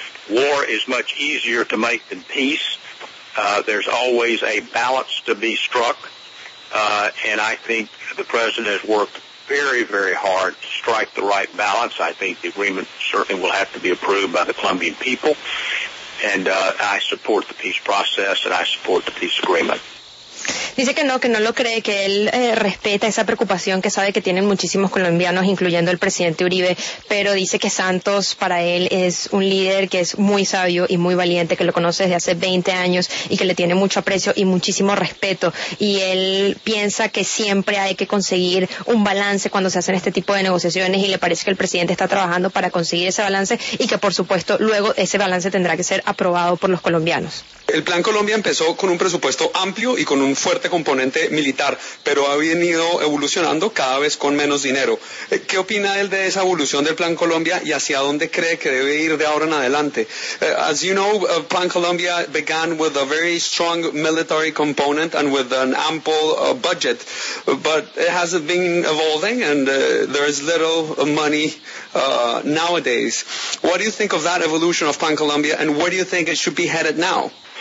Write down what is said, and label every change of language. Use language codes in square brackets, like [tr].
[en] War is much easier to make than peace. There's always a balance to be struck. And I think the president has worked very, very hard to strike the right balance. I think the agreement certainly will have to be approved by the Colombian people. And I support the peace process and I support the peace agreement. [es] Dice que no lo cree, que él respeta esa preocupación que sabe que tienen muchísimos colombianos, incluyendo el presidente Uribe, pero dice que Santos para él es un líder que es muy sabio y muy valiente, que lo conoce desde hace 20 años y que le tiene mucho aprecio y muchísimo respeto. Y él piensa que siempre hay que conseguir un balance cuando se hacen este tipo de negociaciones y le parece que el presidente está trabajando para conseguir ese balance y que, por supuesto, luego ese balance tendrá que ser aprobado por los colombianos. El Plan Colombia empezó con un presupuesto amplio y con un fuerte componente militar, pero ha venido evolucionando cada vez con menos dinero. ¿Qué opina él de esa evolución del Plan Colombia y hacia dónde cree que debe ir de ahora en adelante? [en] As you know, Plan Colombia began with a very strong military component and with an ample budget, but it hasn't been evolving and there is little money nowadays. What do you think of that evolution of Plan Colombia and where do you think it should be headed now?